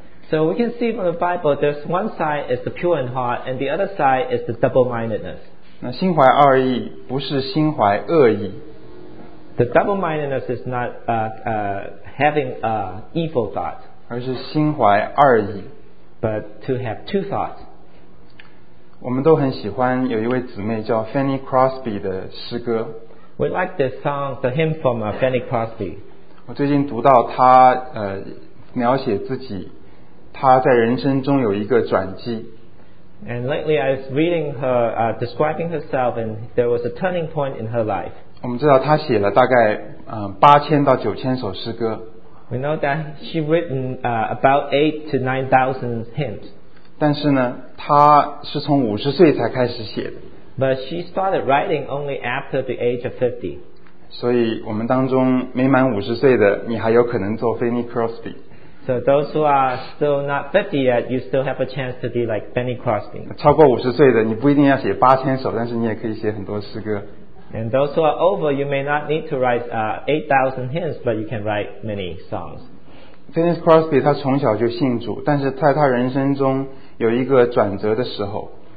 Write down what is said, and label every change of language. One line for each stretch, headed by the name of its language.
English: So we can see from the Bible, there's one side is the pure in heart, and the other side is the double-mindedness.
Chinese: 那心怀二意不是心怀恶意。
English: The double-mindedness is not having a evil thought.
Chinese: 而是心怀二意。
English: But to have two thoughts.
Chinese: 我们都很喜欢有一位姊妹叫 Fanny Crosby 的诗歌。
English: We like the song, the hymn from Fanny Crosby.
Chinese: 我最近读到她描写自己，她在人生中有一个转机。
English: And lately I was reading her, describing herself, and there was a turning point in her life.
Chinese: 我们知道她写了大概8000到9000首诗歌。
English: We know that she written about 8,000 to 9,000 hymns.
Chinese: 但是呢，她是从50岁才开始写的。
English: But she started writing only after the age of 50.
Chinese: 所以我们当中没满50岁的，你还有可能做 Fanny Crosby.
English: So those who are still not 50 yet, you still have a chance to be like Fanny Crosby.
Chinese: 超过50岁的，你不一定要写8000首，但是你也可以写很多诗歌。
English: And those who are over, you may not need to write 8,000 hymns, but you can write many songs.
Chinese: Fanny Crosby, 她从小就信主，但是在她人生中有一个转折的时候。